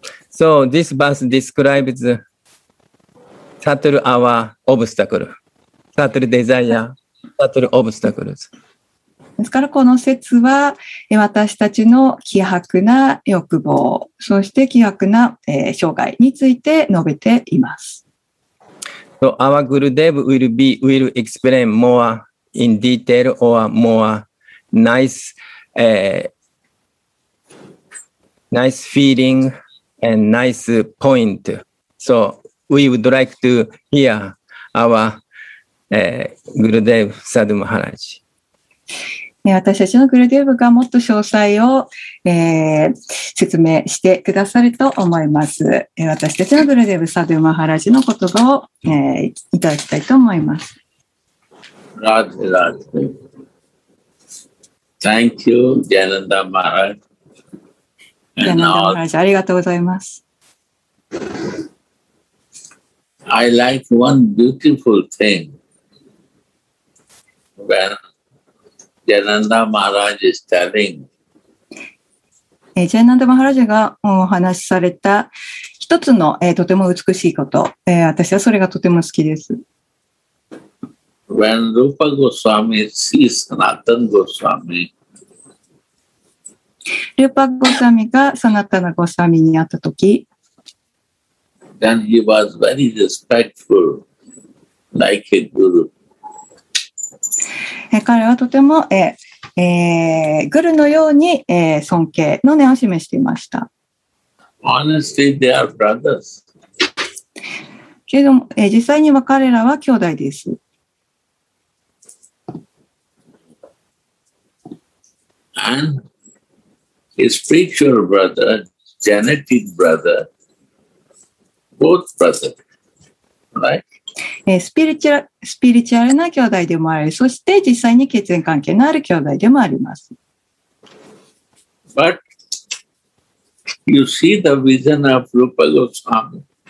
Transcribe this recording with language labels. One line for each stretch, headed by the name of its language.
English: So this verse describes subtle our obstacle, subtle desire, subtle obstacles.
Japanese: ですからこの説は、私たちの希薄な欲望、そして希薄な、障害について述べています。
English: So our Gurudev will explain more in detail or more nice,、nice feeling and nice point. So we would like to hear our、Gurudev Sadhu Maharaj.
Japanese: 私たちのグルデーブがもっと詳細を、説明してくださると思います。私たちのグルデーブサドゥマハラジの言葉を、いただきたいと思います。
English: ラッジラッジ。Thank you, Jananda Maharaj.
Japanese: Jananda Maharaj, ありがとうございます。
English: I like one beautiful thing. When... Jananda Maharaj is telling.
Japanese: Jananda Maharaj がお話しされた一つの、とても美しいこと、私はそれがとても好きです。
English: When Rupa Goswami sees Sanatana Goswami,
Japanese: Rupa Goswami がSanatana Goswami に会ったとき、
English: then he was very respectful, like a guru.
Japanese: 彼はとても、グルのように、尊敬の念を示していました。
English: Honestly, they are brothers.
Japanese: けれども、実際には彼らは兄弟です。
English: And his spiritual brother, genetic brother, both brothers, right?
Japanese: スピリチュアルな兄弟でもあり、そして実際に血縁関係のある兄弟でもあります。
English: But you see the vision of Rupa Goswami.